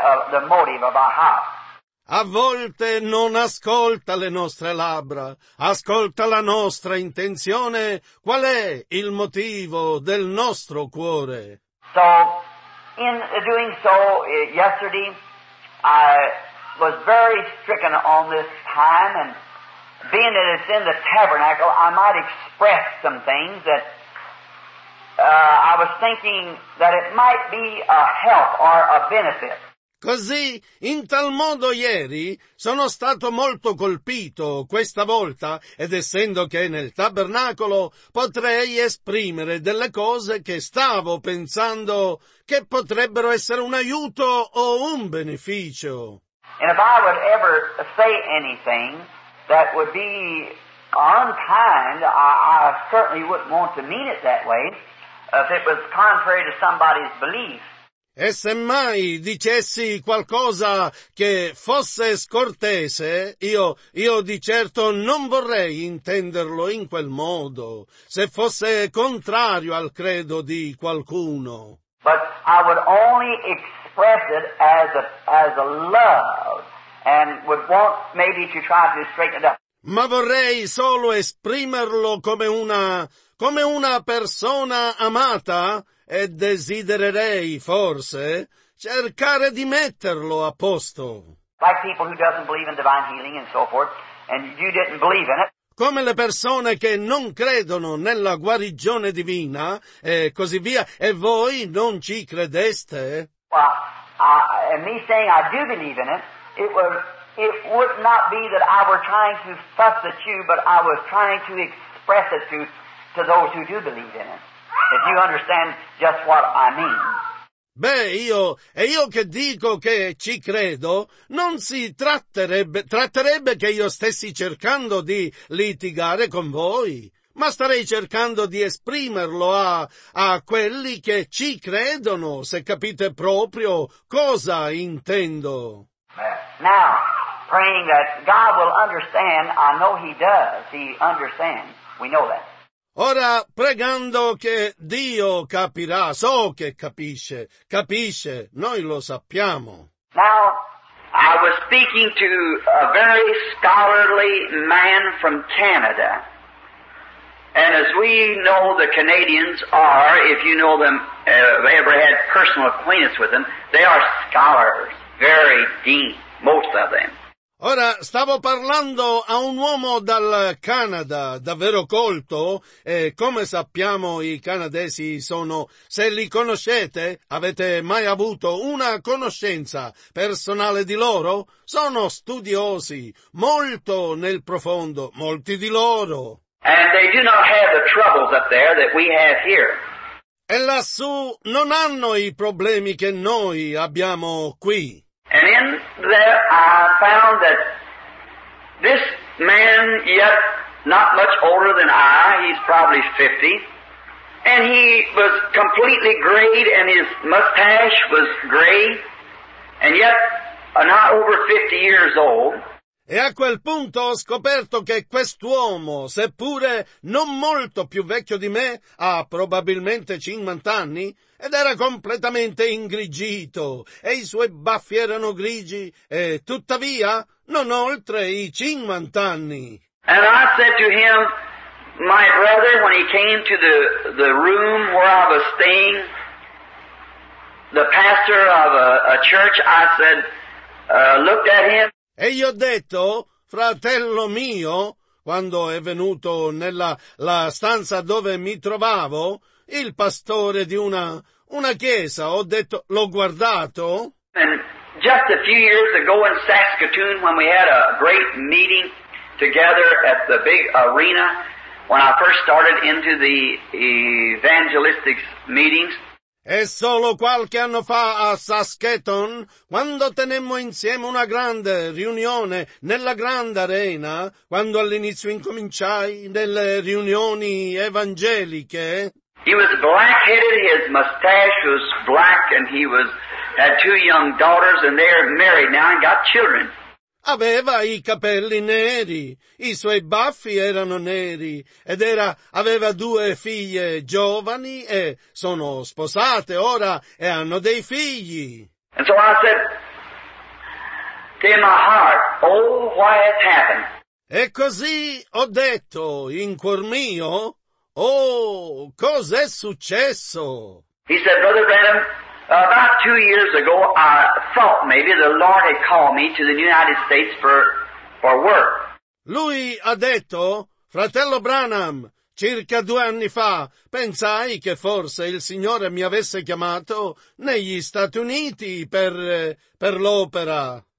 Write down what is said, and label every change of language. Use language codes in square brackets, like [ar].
[en] The motive of our heart. [it] A volte non ascolta le nostre labbra, ascolta la nostra intenzione. Qual è il motivo del nostro cuore? [en] So, in doing so, yesterday I was very stricken on this time, and being that it's in the tabernacle, I might express some things that. I was thinking that it might be a help or a benefit. [it] Così, in tal modo ieri, sono stato molto colpito questa volta, ed essendo che nel tabernacolo, potrei esprimere delle cose che stavo pensando che potrebbero essere un aiuto o un beneficio. [en] And if I would ever say anything that would be unkind, I certainly wouldn't want to mean it that way. If it was contrary to somebody's belief. [it] E se mai dicessi qualcosa che fosse scortese, io di certo non vorrei intenderlo in quel modo, se fosse contrario al credo di qualcuno. [en] But I would only express it as a love, and would want maybe to try to straighten it up. [it] Ma vorrei solo esprimerlo come una persona amata, e desidererei forse cercare di metterlo a posto. [en] Like people who doesn't believe in divine healing and so forth, and you didn't believe in it. [it] Come le persone che non credono nella guarigione divina e così via, e voi non ci credeste. [en] Well, and me saying I do believe in it, it was it would not be that I were trying to fuss at you, but I was trying to express it to those who do believe in it. If you understand just what I mean. [it] Beh, io che dico che ci credo, non si tratterebbe che io stessi cercando di litigare con voi, ma starei cercando di esprimerlo a quelli che ci credono, se capite proprio cosa intendo. [en] Now, praying that God will understand, I know he does, he understands, we know that. [it] Ora, pregando che Dio capirà, so che capisce, noi lo sappiamo. [en] Now, I was speaking to a very scholarly man from Canada. And as we know, the Canadians are, if you know them, if you ever had personal acquaintance with them, they are scholars, very deep, most of them. [it] Ora, stavo parlando a un uomo dal Canada, davvero colto, e come sappiamo i canadesi sono, se li conoscete, avete mai avuto una conoscenza personale di loro? Sono studiosi, molto nel profondo, molti di loro. [en] And they do not have the troubles up there that we have here. [it] E lassù non hanno i problemi che noi abbiamo qui. [en] And in there I found that this man, yet not much older than I, he's probably 50, and he was completely gray, and his mustache was gray, and yet not over 50 years old. [it] E a quel punto ho scoperto che quest'uomo, seppure non molto più vecchio di me, ha probabilmente 50 anni, ed era completamente ingrigito, e i suoi baffi erano grigi, e tuttavia non oltre i 50 anni. [en] And I said to him, my brother, when he came to the room where I was staying, the pastor of a church, I said, looked at him. [it] E gli ho detto, fratello mio, quando è venuto nella la stanza dove mi trovavo, il pastore di una chiesa, ho detto, l'ho guardato. [en] And just a few years ago in Saskatoon, when we had a great meeting together at the big arena, when I first started into the evangelistic meetings, [it] e solo qualche anno fa a Saskatoon, quando tenemmo insieme una grande riunione nella grande arena, quando all'inizio incominciai nelle riunioni evangeliche. [en] He was black-headed, his mustache was black, and he was had two young daughters, and they're married now and got children. [it] Aveva i capelli neri, i suoi baffi erano neri, aveva due figlie giovani e sono sposate ora e hanno dei figli. [en] And so I said, in my heart, oh, why it happened. [it] E così ho detto in cuor mio, oh, cos'è successo? [en] He said, Brother Branham, about 2 years ago, I thought maybe the Lord had called me to the United States for work. [it] Lui ha detto, fratello Branham, circa 2 anni fa, pensai che forse il Signore mi avesse chiamato negli Stati Uniti per l'opera.